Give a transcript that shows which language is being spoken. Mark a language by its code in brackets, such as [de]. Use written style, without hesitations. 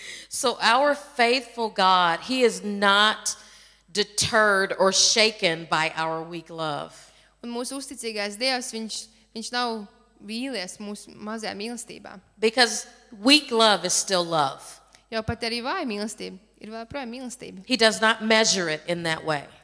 [en] So our faithful God, he is not deterred or shaken by our weak love. [lv] Un mūsu uzticīgais Dievs, viņš nav vīlies mūsu mazajā mīlestībā. [en] Because weak love is still love. [lv] Jo pat arī vāja mīlestība ir vēl projām mīlestība. [en] He does not measure it in that way.